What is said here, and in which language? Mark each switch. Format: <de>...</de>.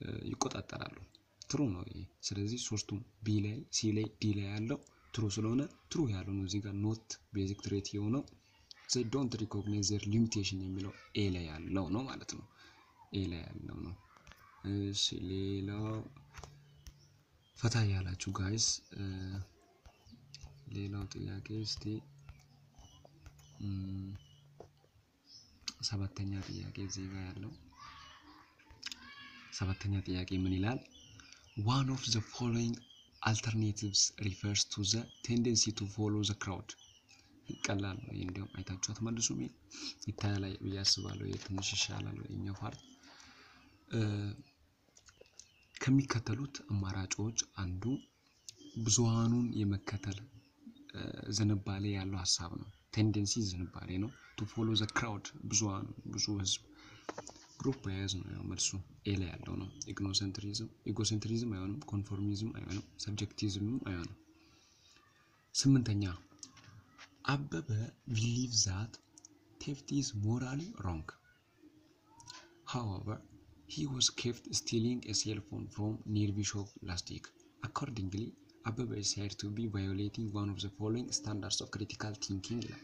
<am>ይቆጣጠራሉ true ነው ይሄ። ስለዚህ ሶስቱም b ላይ c ላይ d ላይ ያለው true ስለሆነ true ያለው ነው። እዚህ ጋር not basic trait የሆነው</am> <en>they don't recognize their limitation</en> <am>የሚለው ኤ ላይ ያለው ነው ማለት ነው። ኤ ላይ ያለው ነው። እሺ ሌላው ፈታ ያላችሁ guys ሌላው ጥያቄ እስቲ ሰባተኛ ጥያቄ እዚህ ጋር ያለው ሰባተኛ ጥያቄ ምን ይላል?</am> <en>One of the following alternatives refers to the tendency to follow the crowd.</en> <am>ይቀላል ነው ይሄ እንደው አይታችሁት መልሱ ምን ይታያል ይያስባለው የትንሽ ይሻላል ወይኛው ፓርት ከሚከተሉት አማራጮች አንዱ ብዙሃኑን የመከተል ዝንባሌ ያለው ሐሳብ ነው tendency ዝንባሌ ነው</am> <en>to follow the crowd</en> <am>ብዙሃን ብዙ ህዝብ group bias ነው ያው መልሱ ኤ ላይ ያለው ነው ethnocentrism egocentrism አይሆንም conformism አይሆንም subjectivism አይሆንም ስምንተኛ አበበ</am> <en>believes that theft is morally wrong. However, he was caught stealing a cell phone from nearby shop last week. Accordingly, Abebe is said to be violating one of the following standards of critical thinking.</en>